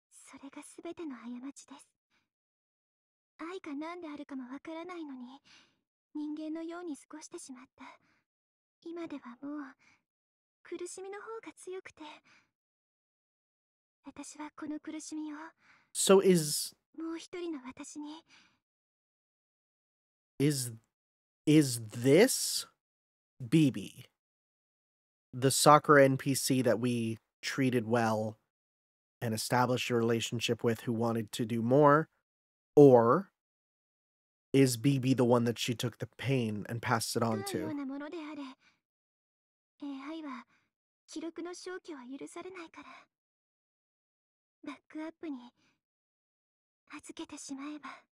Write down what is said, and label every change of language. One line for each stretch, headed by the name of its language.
Japanese: それが全ての過ちです。愛か何であるかもわからないのに人間のように過ごしてしまった。今ではもう苦しみの方が強くて、私はこの苦しみを、
English: So is
Japanese: もう一人の私に、
English: Is this Bibi, the soccer NPC that we treated well and established a relationship with who wanted to do more, or is Bibi the one that she took the pain and passed it on to?
Japanese: AI は記録の消去は許されないから、バックアップに預けてしまえば。